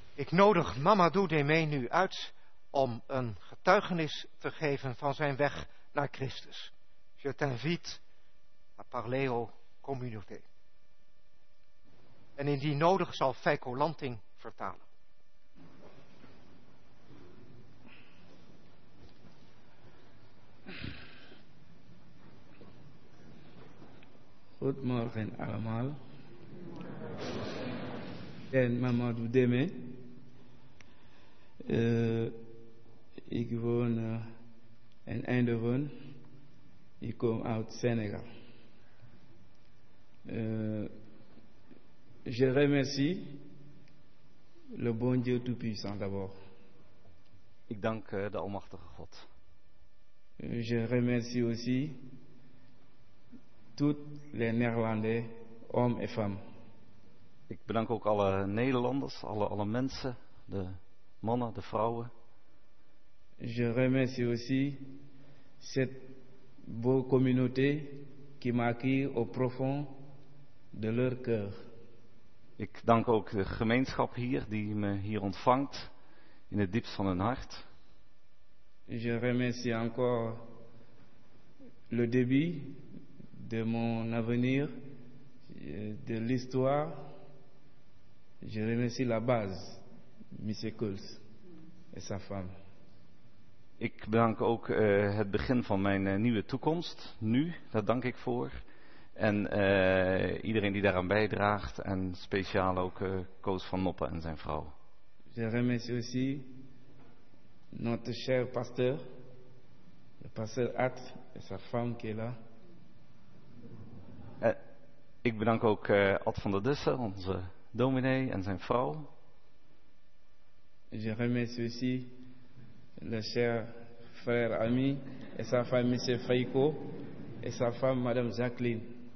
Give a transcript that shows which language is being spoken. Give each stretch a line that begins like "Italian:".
Dutch: Nodig Mamadou Demé nu uit om een getuigenis te geven van zijn weg naar Christus.
French: Je t'invite à parler aux communautés.
Dutch: En indien nodig zal Feiko Lanting vertalen. Goedemorgen allemaal. En Mamadou Demé. Ik woon in Eindhoven. Ik kom uit Senegal.
French: Je remercie le bon Dieu tout-puissant d'abord.
Dutch: Ik dank de almachtige God.
French: Je remercie aussi toutes les Néerlandais, hommes et femmes.
Dutch: Ik bedank ook alle Nederlanders, alle mensen, de mannen, de vrouwen.
French: Je remercie aussi cette belle communauté qui m'accueille au profond de leur cœur.
Dutch: Ik dank ook de gemeenschap hier die me hier ontvangt in het diepst van hun hart.
French: Je remercie encore le début de mon avenir, de l'histoire. Je remercie la base, Monsieur Kools. Et sa femme.
Dutch: Ik bedank ook het begin van mijn nieuwe toekomst, nu, daar dank ik voor. En iedereen die daaraan bijdraagt en speciaal ook Koos van Noppen en zijn vrouw.
French: Je remercie aussi notre cher pasteur, le pasteur At et sa femme qui est là.
Dutch: Ik bedank ook Ad van der Dussen, onze dominee, en zijn vrouw.
French: Je remercie aussi le cher frère ami et sa femme monsieur Faïko et sa femme madame Jacqueline.